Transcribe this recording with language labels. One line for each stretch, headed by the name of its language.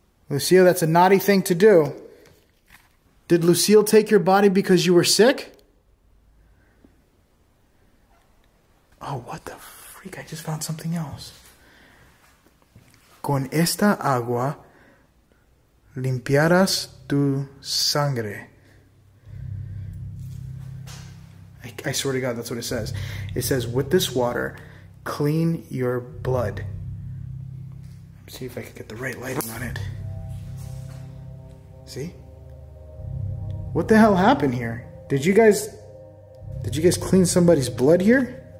English: Lucille, that's a naughty thing to do. Did Lucille take your body because you were sick? Oh, what the freak? I just found something else.
Spanish: Con esta agua limpiarás tu sangre.
English: I swear to God, that's what it says. It says, with this water, clean your blood. Let's see if I can get the right lighting on it. See? What the hell happened here? Did you guys clean somebody's blood here?